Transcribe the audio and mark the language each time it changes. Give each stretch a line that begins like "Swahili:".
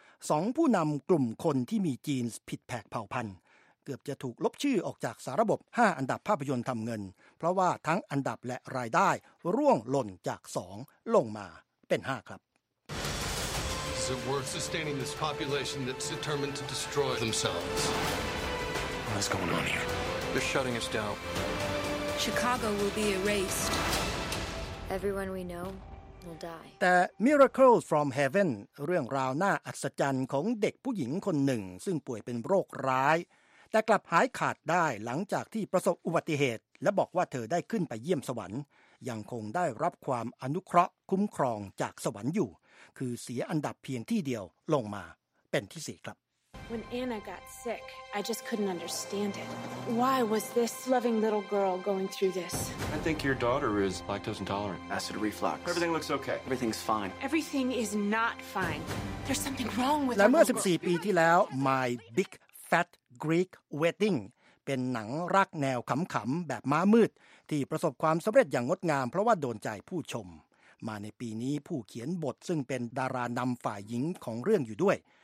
Thai: สองผู้นำกลุ่มคนที่มีจีนผิดแผกเผ่าพันธุ์เกือบจะถูกลบชื่อออกจากสารบบ5อันดับภาพยนตร์ทำเงินเพราะว่าทั้งอันดับและรายได้ร่วงหล่นจาก2ลงมาเป็น5ครับ
English: Is it worth sustaining this population that's determined to destroy themselves? What is going on here? They're shutting us downChicago will be erased. Everyone we know will die.
Thai: แต่ Miracles from Heaven เรื่องราวน่าอัศจรรย์ของเด็กผู้หญิงคนหนึ่งซึ่งป่วยเป็นโรคร้ายแต่กลับหายขาดได้หลังจากที่ประสบอุบัติเหตุและบอกว่าเธอได้ขึ้นไปเยี่ยมสวรรค์ยังคงได้รับความอนุเคราะห์คุ้มครองจากสวรรค์อยู่คือเสียอันดับเพียงที่เดียวลงมาเป็นที่4ครับ
English: When Anna got sick, I just couldn't understand it. Why was this loving little girl going through this? I think your daughter is lactose intolerant. Acid reflux. Everything looks okay. Everything's fine. Everything is not fine. There's something wrong with the little girl.
Thai: และเมื่อ 14 ปีที่แล้ว My Big Fat Greek Wedding เป็นหนังรักแนวขำๆแบบม้ามืดที่ประสบความสำเร็จอย่างงดงามเพราะว่าโดนใจผู้ชม มาในปีนี้ผู้เขียนบทซึ่งเป็นดารานำฝ่ายหญิงของเรื่องอยู่ด้วย